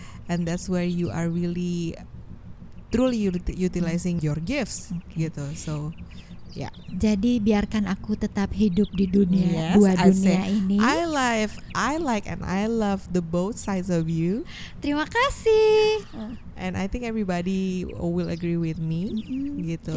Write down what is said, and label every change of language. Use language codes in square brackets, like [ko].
[en] And that's where you are really truly utilizing your gifts gitu. So yeah. [id] Jadi biarkan aku tetap hidup di dunia, dua dunia ini. [en] I like and I love the both sides of you. [id] Terima kasih. [en] And I think everybody will agree with me, gitu.